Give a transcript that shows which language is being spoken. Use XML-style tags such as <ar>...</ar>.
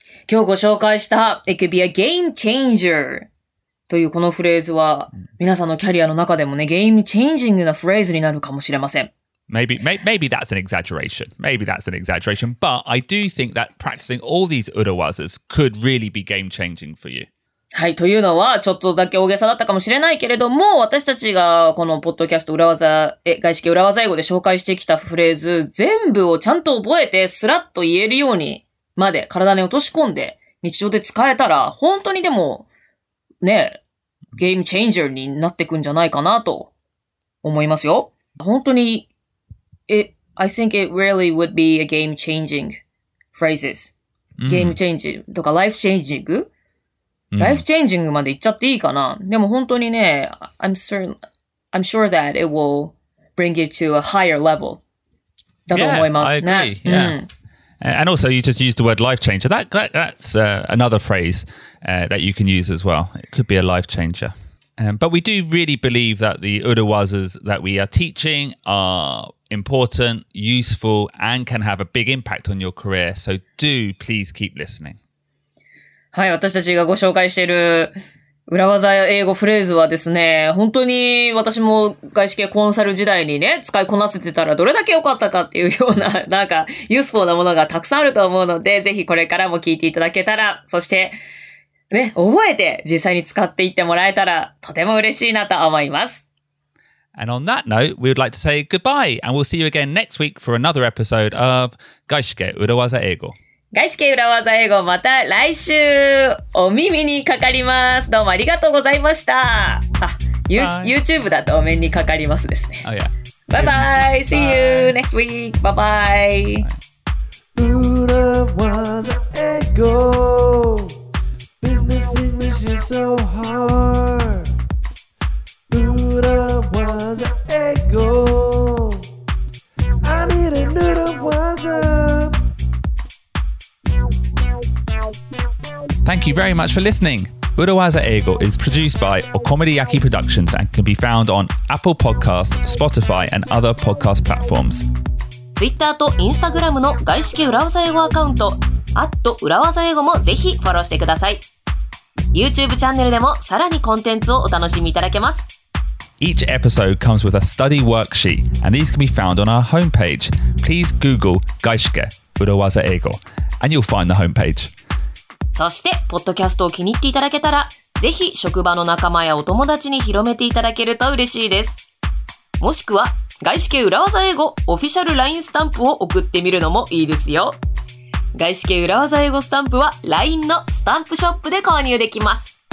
<ja>今日ご紹介した</ja> <en>It could be a game changer</en> <ja>というこのフレーズは皆さんのキャリアの中でもね、ゲームチェンジングなフレーズになるかもしれません。</ja> <en>Maybe that's an exaggeration. Maybe that's an exaggeration. But I do think that practicing all these urawazas could really be game-changing for you.</en> <ja>はい。というのは、ちょっとだけ大げさだったかもしれないけれども、私たちがこのポッドキャスト裏技、外資系裏技英語で紹介してきたフレーズ、全部をちゃんと覚えて、スラッと言えるようにまで体に落とし込んで、日常で使えたら、本当にでも、ね、ゲームチェンジャーになってくんじゃないかなと思いますよ。本当に、</ja> <en>I think it really would be a game changing phrases.</en> <ja>ゲームチェンジとか、ライフチェンジングライフチェンジングまで行っちゃっていいかな、mm. でも本当にね、</ja> <en>I'm sure that it will bring you to a higher level.</en> <ja>だと思います。</ja> <en>Yeah, I agree.</en> <ja>ね、</ja> <en>yeah. Mm. And also, you just used the word life changer. That's another phrase that you can use as well. It could be a life changer. But we do really believe that the urawazas that we are teaching are important, useful, and can have a big impact on your career. So do please keep listening.</en> <ja>はい、私たちがご紹介している裏技英語フレーズはですね、本当に私も外資系コンサル時代にね、使いこなせてたらどれだけ良かったかっていうような、なんか、ユースフォーなものがたくさんあると思うので、ぜひこれからも聞いていただけたら、そして、ね、覚えて実際に使っていってもらえたら、とても嬉しいなと思います。</ja> <en>And on that note, we would like to say goodbye, and we'll see you again next week for another episode of 外資系裏技英語。</en> <ja>外資系裏技英語また来週お耳にかかります。どうもありがとうございました。 YouTube だとお目にかかりますですね。</ja> <en>Oh, yeah. Bye bye. See you next week. Bye bye. 裏技英語 Business English is so hard 裏技英語 I need a new 裏技 Thank you very much for listening. Uruwaza Eigo is produced by Okomediyaki Productions and can be found on Apple Podcasts, Spotify, and other podcast platforms.</en> <ja>Twitter と Instagram の外資系Uruwaza Eigo アカウント @Uruwaza Eigo もぜひフォローしてください。 YouTube チャンネルでもさらにコンテンツをお楽しみいただけます。</ja> <en>Each episode comes with a study worksheet, and these can be found on our homepage. Please Google 外資系Uruwaza Eigo, and you'll find the homepage.</en> <ja>そしてポッドキャストを気に入っていただけたら、ぜひ職場の仲間やお友達に広めていただけると嬉しいです。もしくは外資系裏技英語オフィシャル LINE スタンプを送ってみるのもいいですよ。外資系裏技英語スタンプは LINE のスタンプショップで購入できます。</ja>